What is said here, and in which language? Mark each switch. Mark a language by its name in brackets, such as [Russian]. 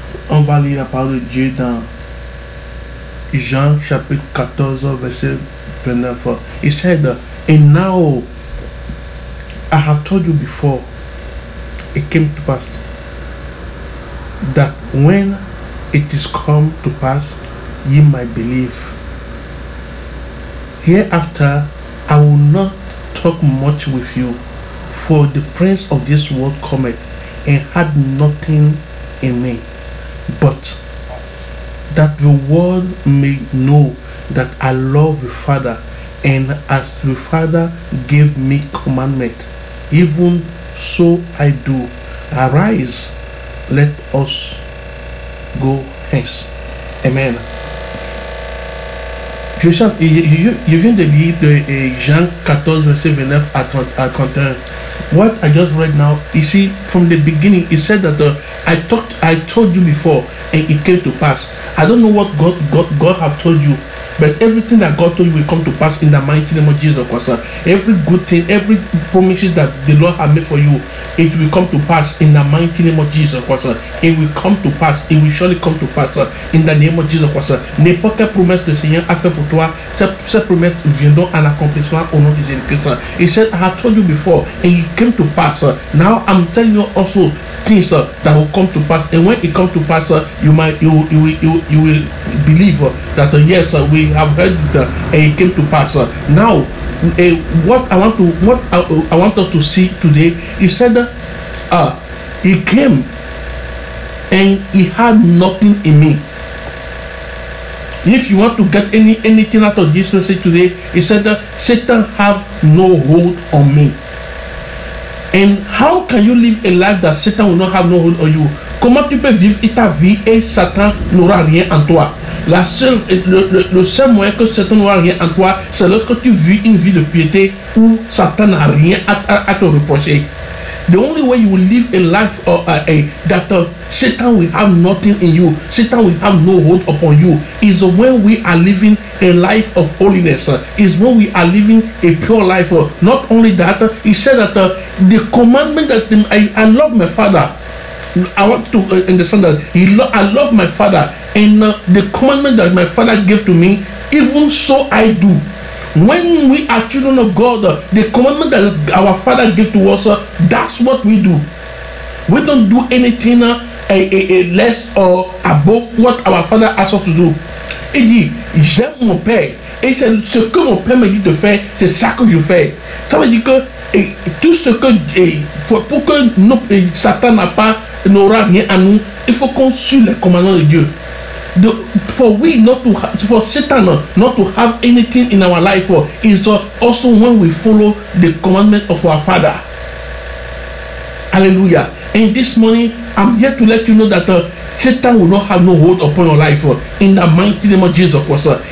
[French] On va lire la parole de Dieu dans Jean chapitre 14, verset 29. [English] He said, "And now I have told you before, it came to pass, that when it is come to pass, ye might believe. Hereafter, I will not talk much with you, for the prince of this world cometh, and had nothing in me, but that the world may know that I love the Father, and as the Father gave me commandment, even so I do. Arise, let us go hence." Amen. [French] Je sens, je viens de lire de Jean 14, verset 29 à 31. [English] What I just read now, you see, from the beginning, he said that I told you before, and it came to pass. I don't know what God have told you, but everything that God told you will come to pass in the mighty name of Jesus Christ. Every good thing, every promises that the Lord has made for you, it will come to pass in the mighty name of Jesus Christ. It will come to pass. It will surely come to pass in the name of Jesus Christ. [French] N'importe quelle promesse le Seigneur a fait pour toi, cette promesse viendra en accomplissement au nom de Jésus Christ. [English] He said, "I have told you before, and it came to pass. Now I'm telling you also things that will come to pass. And when it comes to pass, you will believe that yes, we have heard it, and it came to pass." Now, what I want us to see today, he said, he came and he had nothing in me. If you want to get anything out of this message today, he said, Satan have no hold on me. And how can you live a life that Satan will not have no hold on you? [French] Comment tu peux vivre ta vie et Satan n'aura rien en toi? Le seul moyen que Satan n'aura rien en toi, c'est lorsque tu vis une vie de piété où Satan n'a rien à te reprocher. [English] The only way you will live a life Satan will have nothing in you, Satan will have no hold upon you, is when we are living a life of holiness, is when we are living a pure life. Not only that, he said that the commandment that I love my Father. I want to understand that I love my Father, and the commandment that my Father gave to me, even so I do. When we are children of God, the commandment that our Father gave to us, that's what we do. We don't do anything less or above what our Father asks us to do. [French] He dit, "J'aime mon Père." Et c'est ce que mon Père me dit de faire, c'est ça que je fais. Ça veut dire que tout ce que pour que Satan n'a pas n'aura rien à nous, il faut qu'on suive les commandements de Dieu. [English] For Satan not to have anything in our life is also when we follow the commandment of our Father. Hallelujah. And this morning, I'm here to let you know that Satan will not have no hold upon your life in the mighty name of Jesus Christ.